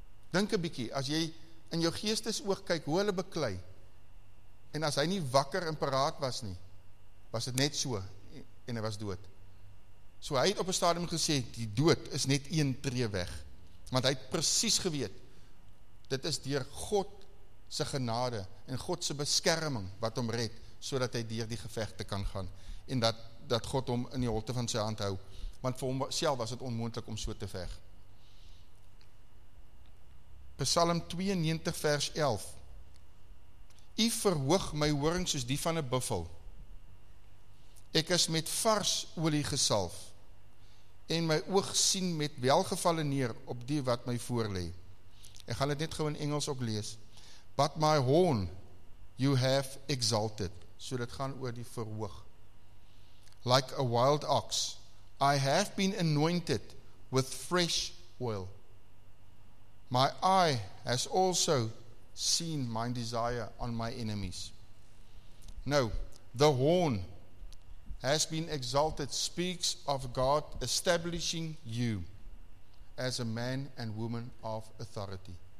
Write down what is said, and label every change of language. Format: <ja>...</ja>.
<af>Dink 'n bietjie, as jy in jou geestes oog kyk, hoe hulle beklei, en as hy nie wakker en paraat was nie, was het net so, en hy was dood. So hy het op een stadium gesê, die dood is net een tree weg. Want hy het precies geweet, dit is deur God se genade en God se beskerming wat hom red, sodat hy deur die gevegte kan gaan en dat God hom in die holte van sy hand hou, want vir homself was dit onmoontlik om so te veg. Psalm 92 vers 11. U verhoog my horing soos die van 'n buffel. Ek is met vars olie gesalf en my oog sien met welgevalle neer op die wat my voorlê. Ek gaan dit net gewoon in Engels ook lees.</af> <en>But my horn you have exalted.</en> <af>So dit gaan oor die verhoog.</af> <en>Like a wild ox, I have been anointed with fresh oil. My eye has also seen my desire on my enemies. Now, the horn has been exalted speaks of God establishing you as a man and woman of authority.</en>